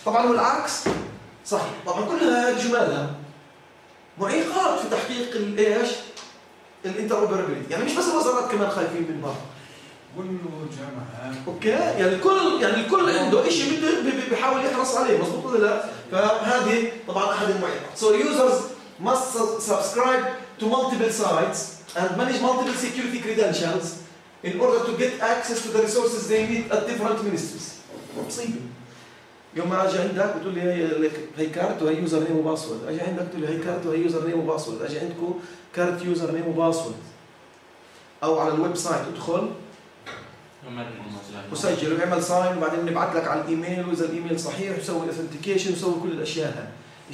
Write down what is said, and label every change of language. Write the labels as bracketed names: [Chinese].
[Arabic] طبعا والعكس صح. طبعا كل هذه جمالها معيقات في تحقيق الايش؟ الانتروبرابيلتي. يعني مش بس الوزارات كمان خايفين من بعض، كل جامعات اوكي، يعني الكل عنده شيء بده بيحاول يحرص عليه، مظبوط ولا لا؟ فهذه طبعا احد المعيقات. [English] So users must subscribe to multiple sites and manage multiple security credentials in order to get access to the resources they need at different ministries. [Arabic] مصيبة. يوم ما اجي عندك بتقول لي هي كارت وهي يوزر نيم وباسورد، اجي عندك بتقول لي هي كارت وهي يوزر نيم وباسورد، اجي عندكم كارت يوزر نيم وباسورد. او على الويب سايت ادخل وسجل واعمل ساين وبعدين بنبعث لك على الايميل، واذا الايميل صحيح وسوي اوثنتيكيشن وسوي كل الاشياء هاي.